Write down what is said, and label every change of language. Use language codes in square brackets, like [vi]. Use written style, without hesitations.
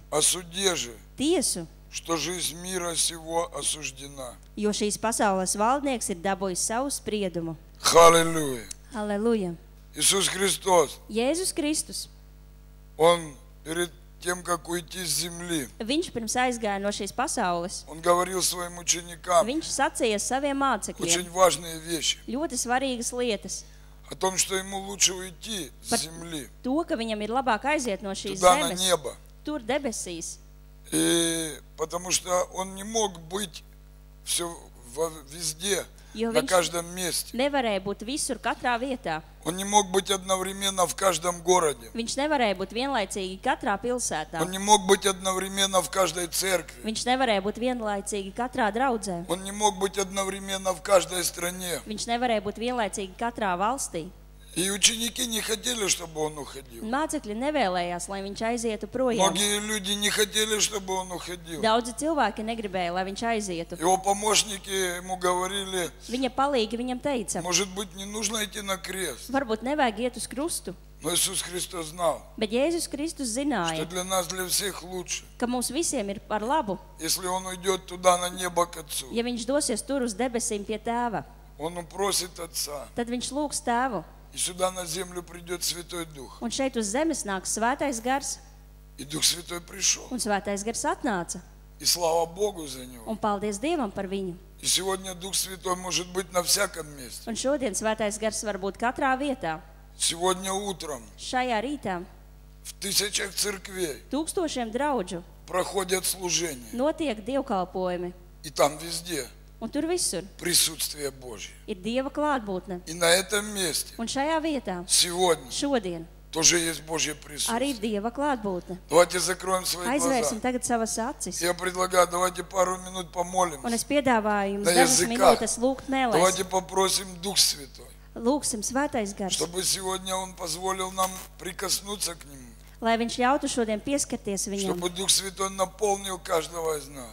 [ru] osudie же [lv] tiesu [ru] что жизнь мира сего осуждена [lv] jo šīs pasaules valdnieks ir dabūjis savu spriedumu halleluja halleluja [ru] Иисус Христос. [lv] Jēzus Kristus. [ru] Он перед тем, как уйти с земли. [lv] Viņš pirms aizgāja no šīs pasaules. [ru] Он говорил своим ученикам. [lv] Viņš sacīja saviem mācekļiem. [ru] Очень важные вещи. [lv] Ļoti svarīgas lietas. [ru] О том, что ему лучше уйти с земли. [lv] To, ka viņam ir labāk aiziet no šīs [ru] туда, [lv] zemes. [ru] На небо. [lv] Tur debesīs. [ru] И потому что он не мог быть все везде. [lv] Jo [ru] на каждом месте. [lv] Nevarēja būt visur, katrā vietā. [ru] Он не мог быть одновременно в каждом городе. [lv] Viņš nevarēja būt vienlaicīgi katrā pilsētā. [ru] Он не мог быть одновременно в каждой церкви. [lv] Viņš nevarēja būt vienlaicīgi katrā draudzē. [ru] Он не мог быть одновременно в каждой стране. [lv] Viņš nevarēja būt vienlaicīgi katrā valstī. [ru] И ученики не хотели, чтобы он уходил. [lv] Mācekļi nevēlējās, lai viņš aizietu projām. [ru] Многие люди не хотели, чтобы он уходил. [lv] Daudzi cilvēki negribēja, lai viņš aizietu. [ru] Его помощники ему говорили. [lv] Viņa palīgi viņam teica. [ru] Может быть, не нужно идти на крест. [lv] Varbūt nevajag iet uz krustu. [ru] Но Иисус Христос знал. [lv] Bet Jēzus Kristus zināja. [ru] Что для нас, для всех лучше. [lv] Ka mums visiem ir par labu. [ru] Если он уйдет туда на небо к Отцу. [lv] Ja viņš dosies tur uz debesīm pie Tēva. [ru] Он упросит Отца. [lv] Tad viņš lūgs Tēvu. [ru] И сюда на землю придет Святой Дух. [lv] Un šeit uz zemes nāks Svētais Gars. [ru] И Дух Святой пришел. [lv] Un Svētais Gars atnāca. [ru] И слава Богу за него. [lv] Un paldies Dievam par viņu. [ru] И сегодня Дух Святой может быть на всяком месте. [lv] Un šodien Svētais Gars var būt katrā vietā. [ru] Сегодня утром. [lv] Šajā rītā. [ru] В тысячах церквей. [lv] Tūkstošiem draudžu. [ru] Проходят служения. [lv] Notiek dievkalpojumi. [ru] И там везде. [lv] Un tur visur [ru] присутствие Божие. [lv] Ir Dieva klātbūtne. [ru] И на этом месте. [lv] Un šajā vietā. [ru] Сегодня. [lv] Šodien. [ru] Тоже есть Божье присутствие. [lv] Arī Dieva klātbūtne. [ru] Давайте закроем свои глаза. [lv] Aizvērsim tagad savas acis. [ru] Я предлагаю, давайте пару минут помолимся. [lv] Un es piedāvāju jums dažas minūtes lūgt mēlēs. [ru] Давайте попросим Дух Святой. [lv] Lūgsim Svētais Gars. [ru] Чтобы сегодня он позволил нам прикоснуться к нему. [lv] Lai viņš ļautu šodien pieskarties viņam. [ru] Чтобы Дух Святой наполнил каждого из нас.